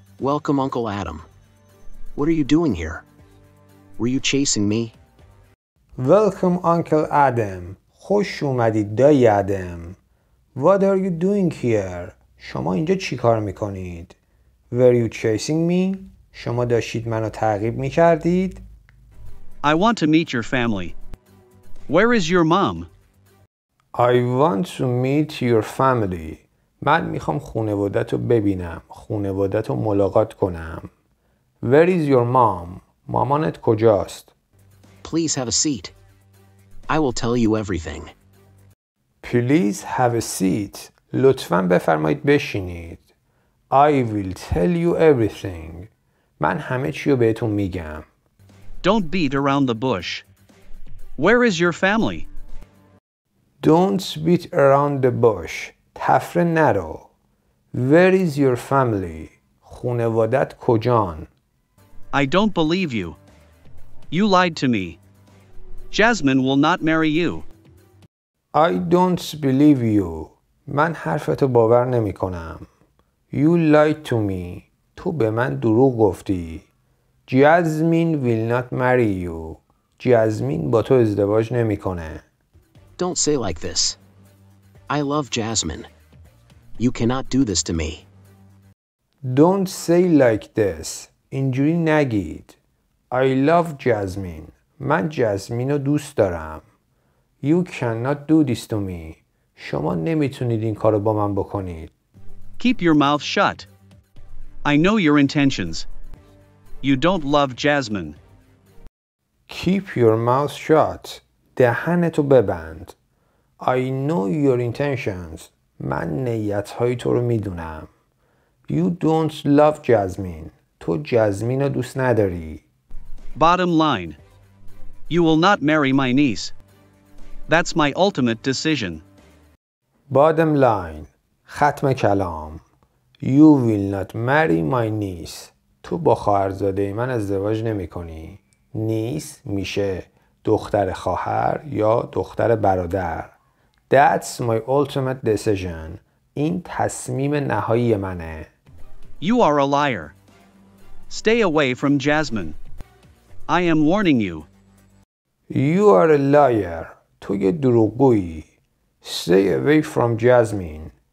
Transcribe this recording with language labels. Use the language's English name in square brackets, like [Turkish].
[English] Welcome, Uncle Adam. What are you doing here? Were you chasing me? Welcome, Uncle Adam. [Persian] خوش اومدید دایی آدم. What are you doing here? شما اینجا چی کار میکنید؟ [English] Were you chasing me? [Persian] شما داشتید منو تعقیب میکردید؟ [English] I want to meet your family. Where is your mom? I want to meet your family. [Persian] من میخوام خانوادت رو ببینم، خانوادت رو ملاقات کنم. [English] Where is your mom? [Persian] مامانت کجاست؟ [English] Please have a seat. I will tell you everything. Please have a seat. [Persian] لطفاً بفرمایید بشینید. [English] I will tell you everything. [Persian] من همه چی رو بهتون میگم. [English] Don't beat around the bush. Where is your family? Don't beat around the bush. [Persian] تفره نرو. [English] Where is your family? [Persian] خانوادت کجان؟ [English] I don't believe you. You lied to me. Jasmine will not marry you. I don't believe you. [Persian] من حرفتو باور نمی کنم. [English] You lied to me. [Persian] تو به من دروغ گفتی. [English] Jasmine will not marry you. [Persian] جازمین با تو ازدواج نمی کنه. [English] Don't say like this. I love Jasmine. You cannot do this to me. Don't say like this. [Persian] اینجوری نگید. [English] I love Jasmine. [Persian] من جازمین رو دوست دارم. [English] You cannot do this to me. [Persian] شما نمیتونید این کارو با من بکنید. [English] Keep your mouth shut. I know your intentions. You don't love Jasmine. Keep your mouth shut. [Persian] دهنتو ببند. [English] I know your intentions. [Persian] من نیتهای تو رو میدونم. [English] You don't love Jasmine. [Persian] تو جازمین رو دوست نداری. [English] Bottom line. You will not marry my niece. That's my ultimate decision. Bottom line. [Persian] ختم کلام. [English] You will not marry my niece. [Persian] تو با خواهرزاده من ازدواج نمی کنی. Niece میشه دختر خواهر یا دختر برادر. [English] That's my ultimate decision. [Persian] این تصمیم نهایی منه. [English] You are a liar. Stay away from Jasmine. I am warning you. You are a liar. [Persian] تو یه دروغگویی. [English] Stay away from Jasmine.